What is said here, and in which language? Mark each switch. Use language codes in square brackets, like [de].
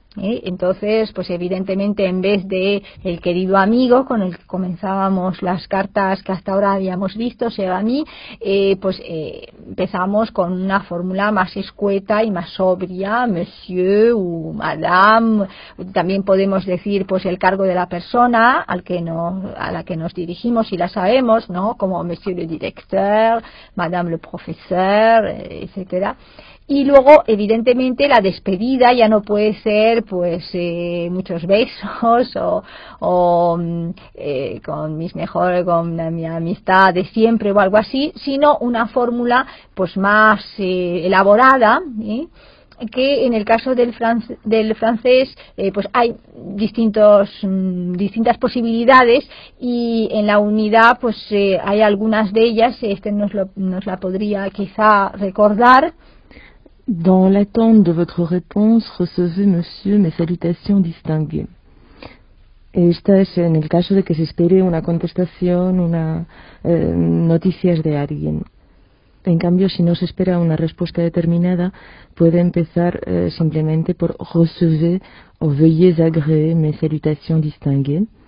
[es] Entonces, pues evidentemente, en vez de el querido amigo con el que comenzábamos las cartas que hasta ahora habíamos visto, sea a mí, empezamos con una fórmula más escueta y más sobria, [fr] monsieur o madame. [es] También podemos decir pues el cargo de la persona a la que nos dirigimos, si la sabemos, ¿no? [fr] Como monsieur le directeur, madame le professeur, etcétera. [es] Y luego, evidentemente, la despedida ya no puede ser pues muchos besos o con mi amistad de siempre o algo así, sino una fórmula pues más elaborada, que en el caso del francés pues hay distintas posibilidades, y en la unidad pues hay algunas de ellas. Nos la podría quizá recordar. [fr] Dans l'attente de votre réponse, recevez, monsieur, mes salutations distinguées. [es] Esta es en el caso de que se espere una contestación, noticias de alguien. En cambio, si no se espera una respuesta determinada, puede empezar simplemente por [fr] recevez o veuillez agréer mes salutations distinguées.